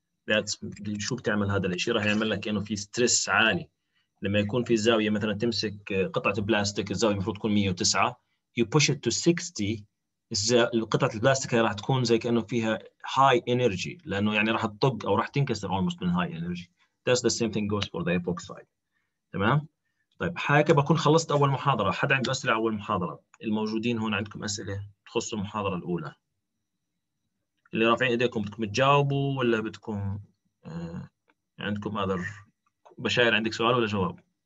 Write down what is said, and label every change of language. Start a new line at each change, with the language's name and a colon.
Arabic: That's شو بتعمل هذا الشيء راح يعمل لك انه في ستريس عالي لما يكون في زاويه مثلا تمسك قطعه بلاستيك الزاويه المفروض تكون 109
English: you push it to 60
Arabic: القطعه البلاستيك هي راح تكون زي كانه فيها هاي انرجي لانه يعني راح تطق او راح تنكسر almost من هاي انرجي.
English: That's the same thing goes for the epoxide.
Arabic: تمام طيب هيك بكون خلصت اول محاضره. حد عنده اسئله اول محاضره؟ الموجودين هون عندكم اسئله تخص المحاضره الاولى؟ اللي رافعين ايديكم بدكم تجاوبوا ولا بدكم عندكم other بشاير عندك سؤال ولا جواب؟